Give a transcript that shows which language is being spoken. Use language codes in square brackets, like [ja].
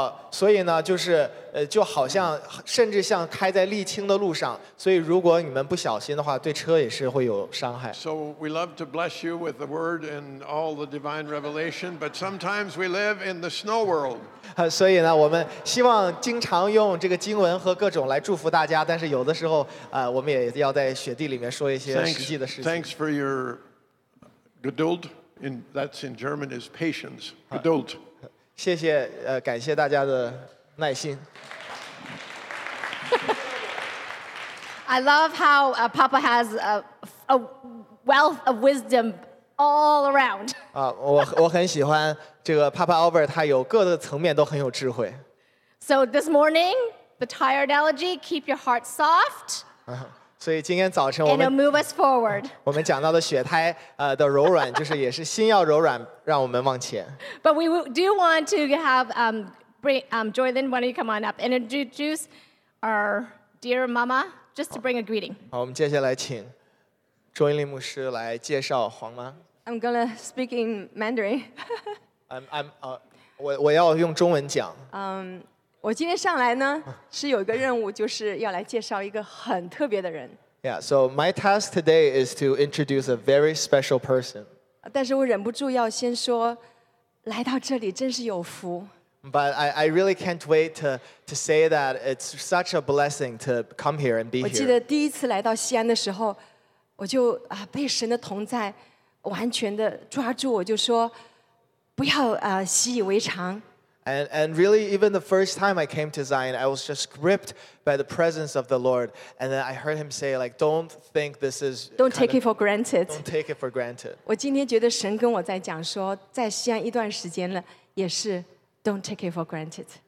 [zh] 所以呢就是就好像甚至像开在沥青的路上所以如果你们不小心的话对车也是会有伤害 [en] So we love to bless you with the word and all the divine revelation but sometimes we live in the snow world [zh] 所以呢我们希望经常用这个经文和各种来祝福大家但是有的时候我们也要在雪地里面说一些实际的事情 [en] Thanks for your geduld in, that's in German is patience geduld [zh] 谢谢感谢大家的耐心。 [en] I love how Papa has a wealth of wisdom all around. [zh] 我很喜欢这个 Papa Albert， 他有各个层面都很有智慧。 [en] So this morning, the tire analogy, keep your heart soft. [zh] 所以今天早晨我们 [en] It'll move us forward. [zh] 我们讲到的雪胎的柔软，就是也是心要柔软。让我们往前。 [en] But we do want to have Joylyn, why don't you come on up and introduce our dear mama just to bring a greeting. [zh] 好，我们接下来请 Joylyn 牧师来介绍黄妈。 [en] I'm gonna speak in Mandarin. [zh] I'm 我要用中文讲。我今天上来呢是有一个任务，就是要来介绍一个很特别的人。 [en] Yeah, so my task today is to introduce a very special person. [zh] 但是我忍不住要先说，来到这里真是有福。 [en] But I really can't wait to say that it's such a blessing to come here and be here. [zh] 我记得第一次来到西安的时候，我就被神的同在完全的抓住，我就说不要习以为常。 [en] And really, even the first time I came to Zion, I was just gripped by the presence of the Lord. And then I heard him say, like, don't think this is... Don't take it for granted. Don't take it for granted. [zh] 我今天觉得神跟我在讲说，在西安一段时间了，也是 don't take it for granted.